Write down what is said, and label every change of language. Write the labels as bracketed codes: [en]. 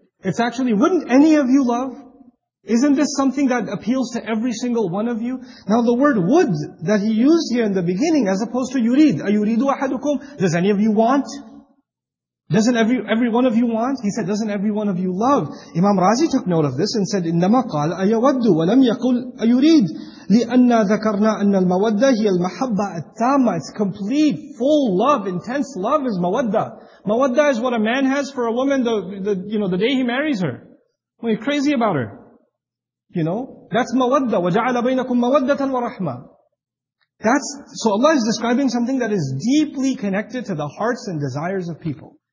[en] It's actually, wouldn't any of you love? Isn't this something that appeals to every single one of you? Now the word would that he used here in the beginning, as opposed to yurid, ayuridu ahadukum, does any of you want? Doesn't every one of you want? He said, doesn't every one of you love? Imam Razi took note of this and said, [ar] إِنَّمَا قَالَ أَيَوَدُّ وَلَمْ يَقُلْ أَيُرِيدُ لِأَنَّا ذَكَرْنَا أَنَّ الْمَوَدَّ هِيَ الْمَحَبَّةَ التَّامَّةَ. [en] It's complete, full love, intense love is mawadda. Mawadda is what a man has for a woman the day he marries her. Well, you're crazy about her. You know? That's mawadda. [ar] وَجَعَلَ بَيْنَكُمْ مَوَدَّةً وَرَحْمَةً. [en] That's, so Allah is describing something that is deeply connected to the hearts and desires of people.